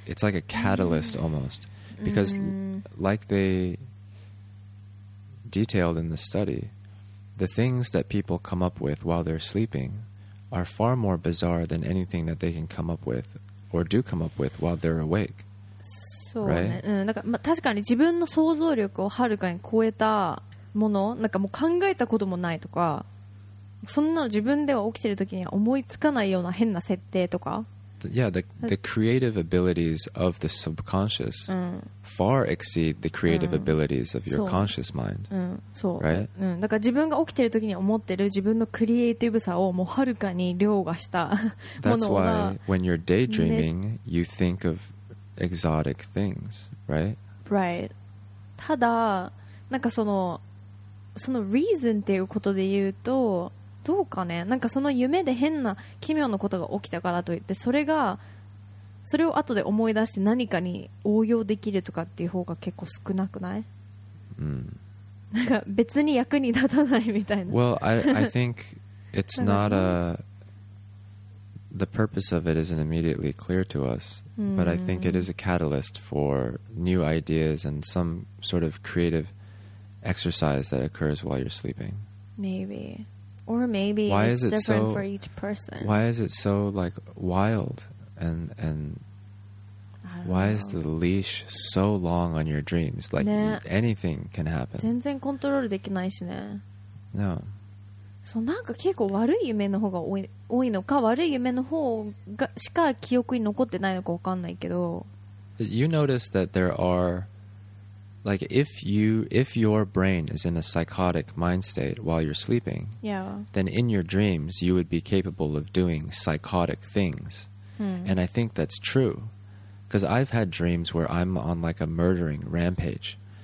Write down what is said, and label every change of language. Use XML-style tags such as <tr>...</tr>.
<en>It's like a catalyst almost. Because like they detailed in the study... The things that people come up with while they're sleeping are far more bizarre than anything that they can come up with or do come up with while they're awake.</en> <ja>そうね。</ja> <en>Right?</en> <ja>なんか、まあ、確かに自分の想像力をはるかに超えたもの、なんかもう考えたこともないとか、そんなの自分では起きてる時には思いつかないような変な設定とか。</ja> <en>Yeah, the creative abilities of the subconscious far exceed the creative abilities of your conscious mind.</en> <ja>そう。</ja> <en>Right?</en> <ja>だから自分が起きてる時に思ってる自分のクリエイティブさをもうはるかに凌駕したものが。</ja> <en>That's why when you're daydreaming, you think of exotic things, right? Right.</en> <ja>ただ、なんかその reason っていうことで言うと、どうかね、なんかその夢で変な奇妙なことが起きたからといってそれを後で思い出して何かに応用できるとかっていう方が結構少なくない、なんか別に役に立たないみたいな。</ja> <en>Well, I think it's not a the purpose of it isn't immediately clear to us, but I think it is a catalyst for new ideas and some sort of creative exercise that occurs while you're sleeping. Maybe. Or maybe why it's is it different so, for each person. Why is it so, like, wild? And why is the leash so long on your dreams? Like,、anything can happen.</en> <ja>全然コントロールできないしね。</ja> <en>No.</en> <ja>そう、なんか結構悪い夢の方が多いのか、悪い夢の方がしか記憶に残ってないのか分かんないけど。</ja> <en>You notice that there are... Like, if your brain is in a psychotic mind state while you're sleeping, then in your dreams, you would be capable of doing psychotic things. And I think that's true. Because I've had dreams where I'm on, like, a murdering rampage.</en>